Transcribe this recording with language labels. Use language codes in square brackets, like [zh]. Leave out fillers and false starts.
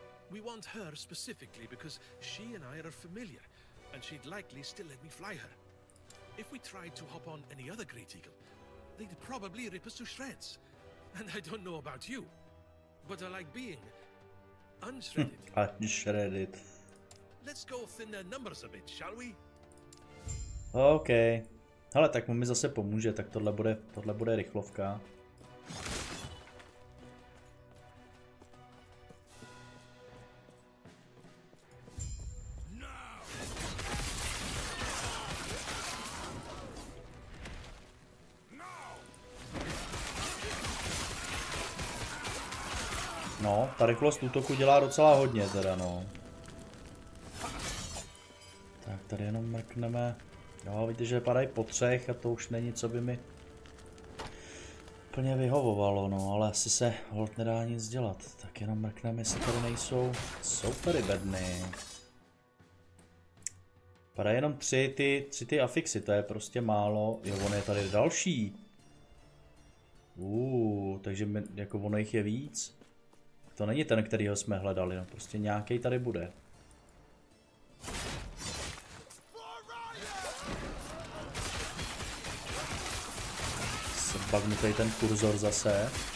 [en] We want her specifically because she and I are familiar, and she'd likely still let me fly her. If we tried to hop on any other Great Eagle, they'd probably rip us to shreds. And I don't know about you, but I like being unshredded. Unshredded. Let's go thin their numbers a bit, shall we? Okay. [cs] Hele, tak mu mi zase pomůže, tak tohle bude rychlovka. No, ta rychlost útoku dělá docela hodně teda, no. Tak tady jenom mrkneme. Jo, víte, že padají po třech a to už není, co by mi plně vyhovovalo, no, ale asi se hold nedá nic dělat. Tak jenom mrkneme, jestli tady nejsou soupery bedny. Padají jenom tři ty afixy, to je prostě málo. Jo, on je tady další. Takže my, jako ono jich je víc. To není ten, kterýho jsme hledali, no, prostě nějaký tady bude. Pak mi tady ten kurzor zase.